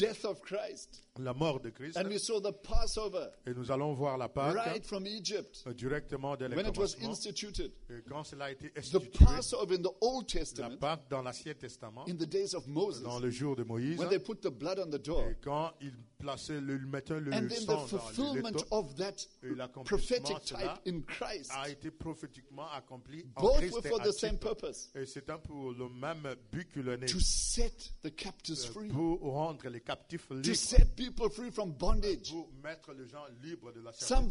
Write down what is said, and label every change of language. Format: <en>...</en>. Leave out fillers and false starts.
<en>Death of Christ.</en> <fr>La mort de Christ.</fr> <en>And we saw the Passover.</en> <fr>Et nous allons voir la Pâque.</fr> <en>Right from Egypt.</en> <fr>Directement de</fr> <en>when it was instituted.</en> <fr>Et quand cela a été institué.</fr> <en>The Passover in the Old Testament.</en> <fr>La Pâque dans l'Ancien Testament.</fr> <en>In the days of Moses.</en> <fr>Dans le jour de Moïse.</fr> <en>When they put the blood on the door.</en> <fr>Et quand ils plaçaient le mettaient le sang.</fr> <en>And then the fulfillment of that prophetic type in Christ.</en> <fr>A été prophétiquement accompli en</fr> <en>both</en> <fr>Christ.</fr> <en>Both were for the same purpose.</en> <fr>Et c'est un pour le même but que l'on est.</fr> <en>To set the captives free.</en> <fr>Pour rendre les captifs libres.</fr> <en>To set people free from bondage.</en> <fr>Pour mettre les gens libres de la servitude.</fr>